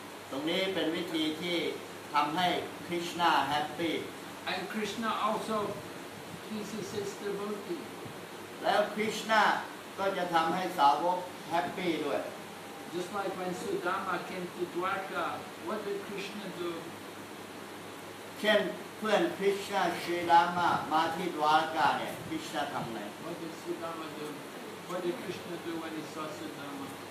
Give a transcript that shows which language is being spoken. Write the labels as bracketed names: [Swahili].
[Thai] ตรงนี้เป็นวิธีที่ทำให้ Krishna happy. [English] And Krishna also pleases his devotee. [Thai] แล้ว Krishna ก็จะทำให้สาวก happy ด้วย [English] Just like when Sudama came to Dwarka, what did Krishna do? [Thai] เช่นเพื่อน Krishna Sudama มาที่ Dwarka เนี่ย Krishna ทำอะไร [English] What did Sudama do? What did Krishna do when he saw Sudama?